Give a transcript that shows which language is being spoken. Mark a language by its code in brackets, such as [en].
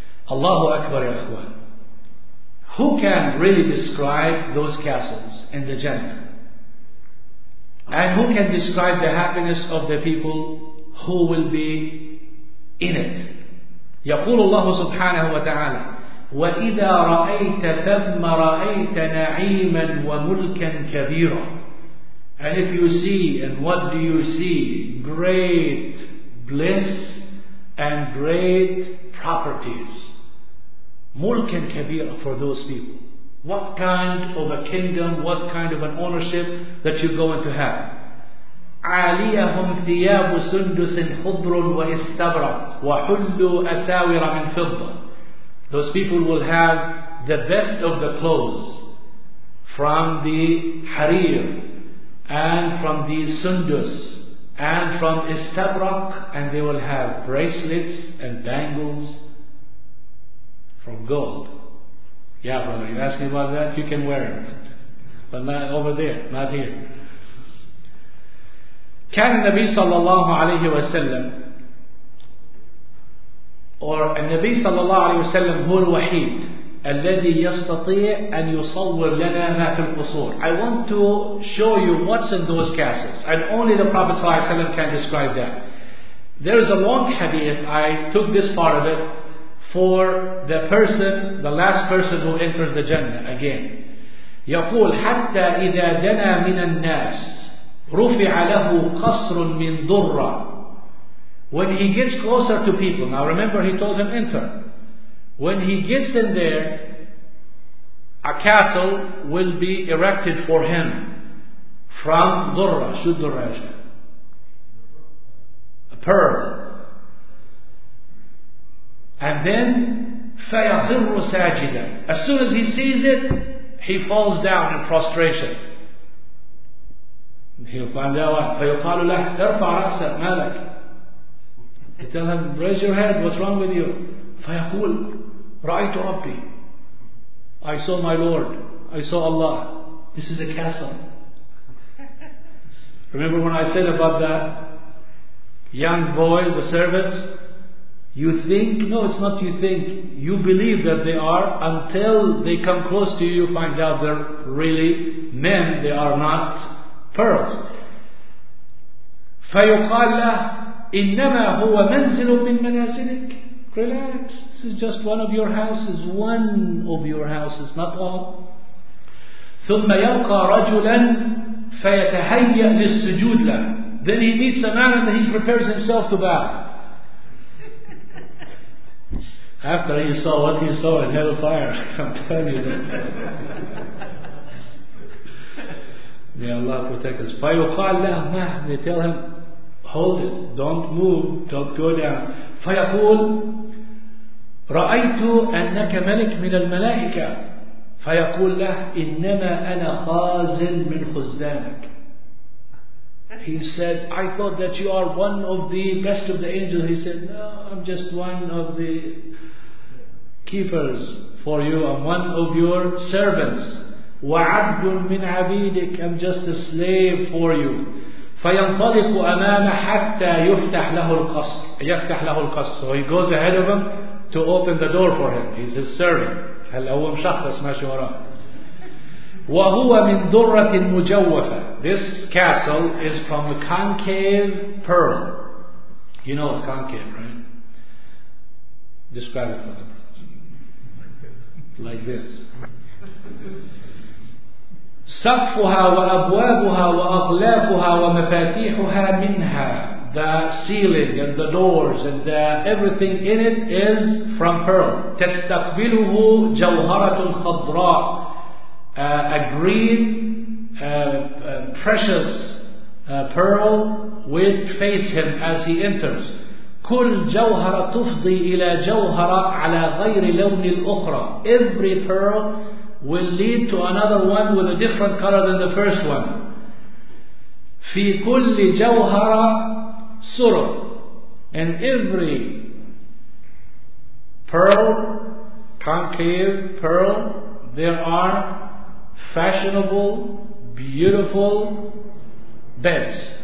[en] Allahu Akbar, ya Akhwan. Who can really describe those castles in the Jannah? And who can describe the happiness of the people who will be in it? [ar] يقول الله سبحانه وتعالى وَإِذَا رَأَيْتَ ثَمَّ رَأَيْتَ نَعِيمًا وَمُلْكًا كَبِيرًا. [en] And if you see, and what do you see? Great bliss and great properties. [ar] مُلْكًا كَبِيرًا [en] for those people. What kind of a kingdom, what kind of an ownership that you're going to have? [ar] عَلِيَهُمْ ثِيَابُ سُنْدُسٍ خُضْرٌ وَإِسْتَبْرَقٌ وَحُلُّوا أَسَاوِرَ مِنْ فِضَّةٍ. [en] Those people will have the best of the clothes from the harir and from the sundus and from istabrak, and they will have bracelets and bangles from gold. Yeah, brother, you ask me about that, you can wear it. But not over there, not here. [ar] كان النبي صلى الله عليه وسلم or النبي صلى الله عليه وسلم هو الوحيد الذي يستطيع أن يصور لنا ما في القصور. [en] I want to show you what's in those castles, and only the Prophet [ar] صلى الله عليه وسلم [en] can describe that. There is a long hadith, I took this part of it, for the person, the last person who enters the Jannah again. [ar] يقول حتى إذا دنا من الناس رفع له قصر من ذرة. [en] When he gets closer to people, now remember he told him enter. When he gets in there, a castle will be erected for him from ذرة, شدرج, a pearl. And then [ar] فيخر ساجدا. [en] As soon as he sees it, he falls down in prostration. He'll find out. [ar] فيقال له ارفع رأسك مالك. [en] He tell him, raise your head, what's wrong with you? [ar] فيقول رأيت ربي. [en] I saw my Lord. I saw Allah. This is a castle. Remember when I said about that young boy, the servants? You think, no, it's not you think, you believe that they are, until they come close to you, you find out they're really men, they are not pearls. [ar] فيقال له إنما هو منزل من منازلك. [en] Relax, this is just one of your houses, one of your houses, not all. [ar] ثم يلقى رجلا فيتهيأ للسجود له. [en] Then he meets a man and he prepares himself to bow. After he saw what he saw in hell fire, I'm telling you that. May Allah protect us. [ar] فيقال له ما, [en] they tell him, hold it, don't move, don't go down. [ar] فيقول رأيت أنك ملك من الملائكة. فيقول له إنما أنا خازن من خزانك. [en] He said, I thought that you are one of the best of the angels. He said, no, I'm just one of the keepers for you. I'm one of your servants. [ar] وعبد من عبيدك. [en] I'm just a slave for you. [ar] فينطلق أمامه حتى يفتح له القصر. يفتح له القصر. [en] So he goes ahead of him to open the door for him. He's his servant. [ar] هل هو مشخص ماشي وراه. وهو من درة مجوفة. [en] This castle is from a concave pearl. You know what concave, right? Describe it for the person. Like this. [ar] سقفها وأبوابها وأغلافها ومفاتيحها منها. [en] The ceiling and the doors and the everything in it is from pearl. [ar] تستقبله جوهرة خضراء. [en] A green, precious pearl will face him as he enters. [ar] كل جوهرة تفضي إلى جوهرة على غير لون الأخرى. [en] Every pearl will lead to another one with a different color than the first one. [ar] في كل جوهرة سرب. [en] And every pearl, concave pearl, there are fashionable, beautiful beds.